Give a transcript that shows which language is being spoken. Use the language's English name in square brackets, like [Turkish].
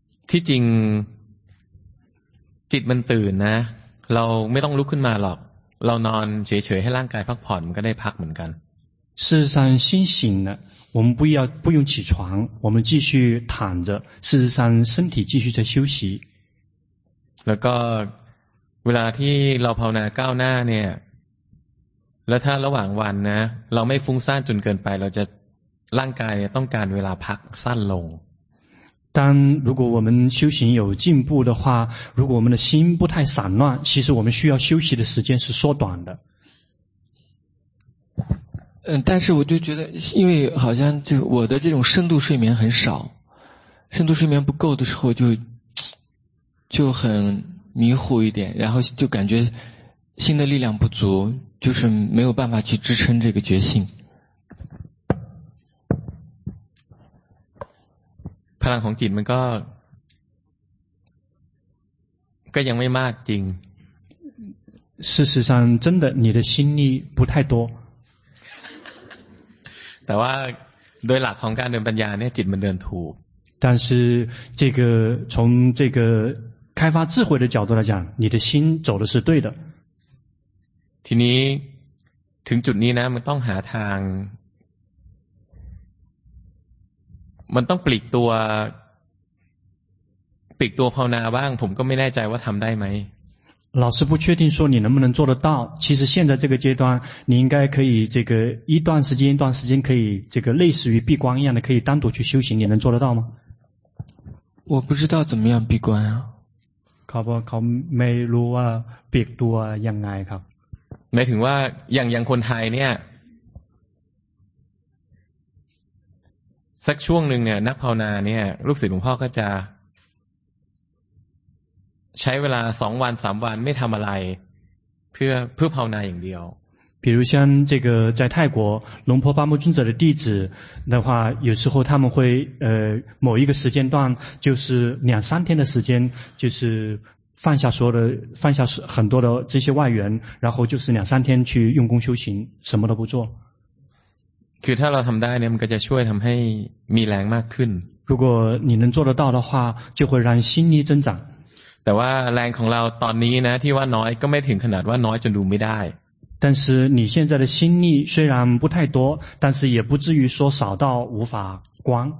[Thai] ที่จริงจิตมันตื่นนะเราไม่ต้องลุกขึ้นมาหรอกเรานอนเฉยๆให้ร่างกายพักผ่อนมันก็ได้พักเหมือนกัน [Chinese] 事实上心醒了我们不用起床我们继续躺着事实上身体继续在休息 [Thai] แล้วก็เวลาที่เราภาวนาก้าวหน้าเนี่ยแล้วถ้าระหว่างวันนะเราไม่ฟุ้งซ่านจนเกินไปเราจะร่างกายต้องการเวลาพักสั้นลง [Chinese] 当如果我们修行有进步的话如果我们的心不太散乱其实我们需要休息的时间是缩短的但是我就觉得因为好像就我的这种深度睡眠很少深度睡眠不够的时候就很迷糊一点然后就感觉心的力量不足就是没有办法去支撑这个觉性 [Thai] พลังของจิตมันก็ยังไม่มากจริง [Chinese] 事实上真的你的心力不太多 [Thai] แต่ว่าโดยหลักของการเดินปัญญาเนี่ยจิตมันเดินถูก [Chinese] 但是这个从这个开发智慧的角度来讲你的心走的是对的 [Thai] ทีนี้ถึงจุดนี้นะมันต้องหาทางมันต้องปลีกตัวภาวนาบ้างผมก็ไม่แน่ใจว่าทำได้ไหม [Chinese] 老师不确定说你能不能做得到其实现在这个阶段你应该可以这个一段时间可以这个类似于闭关一样的可以单独去修行你能做得到吗我不知道怎么样闭关啊 [Thai] เขาไม่รู้ว่าปลีกตัวยังไงครับ หมายถึงว่าอย่างคนไทยเนี่ยสักช่วงหนึ่งเนี่ยนักภาวนาเนี่ยลูกศิษย์หลวงพ่อก็จะใช้เวลา2วัน3วันไม่ทำอะไรเพื่อภาวนาอย่างเดียว [Chinese] 比如像这个在泰国龙婆巴木尊者的弟子的话有时候他们会某一个时间段就是两三天的时间就是放下很多的这些外缘然后就是两三天去用功修行什么都不做 [Thai] คือถ้าเราทำได้เนี่ยมันก็จะช่วยทำให้มีแรงมากขึ้น [Chinese] 如果你能做得到的话就会让心力增长 [Thai] แต่ว่าแรงของเราตอนนี้นะที่ว่าน้อยก็ไม่ถึงขนาดว่าน้อยจนดูไม่ได้ [Chinese] 但是你现在的心力虽然不太多但是也不至于说少到无法观